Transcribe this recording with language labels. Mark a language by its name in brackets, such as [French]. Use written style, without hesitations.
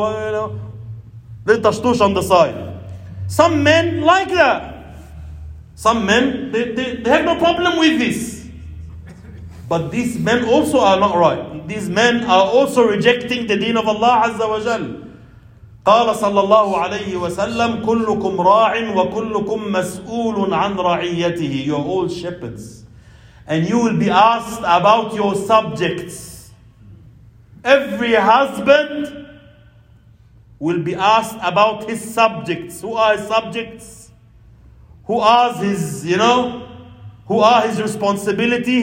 [English] Well, you know, little tashtush on the side. Some men like that. Some men, they have no problem with this. But these men also are not right. These men are also rejecting the deen of Allah Azza wa Jal. [Arabic] قال صلى الله عليه وسلم كلكم راع وكلكم مسؤول عن رعيته. [English] You're all shepherds. And you will be asked about your subjects. Every husband will be asked about his subjects. Who are his subjects? Who are his, you know, who are his responsibility?